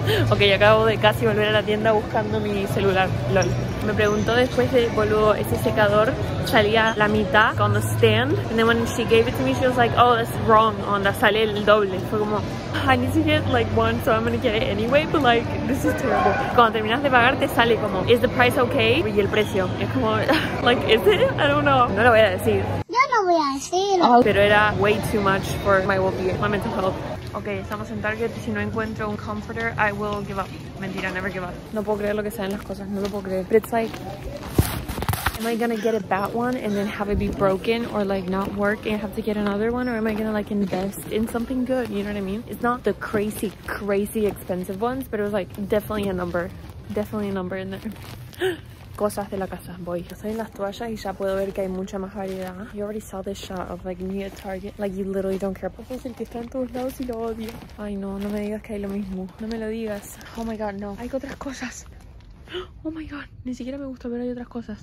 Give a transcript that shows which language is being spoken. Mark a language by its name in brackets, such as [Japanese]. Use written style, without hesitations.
[Spanish] Ok, yo acabo de casi volver a la tienda buscando mi celular, lol. Me preguntó después de, boludo, ese secador salía la mitad con [English] the stand. And then when she gave it to me, she was like, oh, that's wrong, onda, [Spanish] sale el doble. Fue como, [English] I need to get like one, so I'm gonna get it anyway, but like, this is terrible. [Spanish] Cuando terminas de pagar, te sale como, [English] is the price okay? [Spanish] Y el precio, es como, [English] like, is it? I don't know. [Spanish] No lo voy a decir. Yo no voy a decirlo. [English] Oh, [Spanish] pero era [English] way too much for my well-being, my mental health. Okay, [Spanish] estamos en Target. Si no encuentro un comforter, [English] I will give up. [Spanish] Mentira, [English] never give up. [Spanish] No puedo creer lo que sean las cosas, no lo puedo creer. [English] But it's like, am I gonna get a bad one and then have it be broken or like not work and have to get another one? Or am I gonna like invest in something good? You know what I mean? It's not the crazy, crazy expensive ones, but it was like definitely a number. Definitely a number in there. [Spanish] Cosas de la casa, voy. Estoy en las toallas y ya puedo ver que hay mucha más variedad. [English] You already saw this shot of like me at Target. Like you literally don't care. [Spanish] Pues el que está en todos lados y lo odio. Ay no, no me digas que hay lo mismo. No me lo digas. [English] Oh my god, no. [Spanish] Hay otras cosas. [English] Oh my god, [Spanish] ni siquiera me gusta, pero hay otras cosas.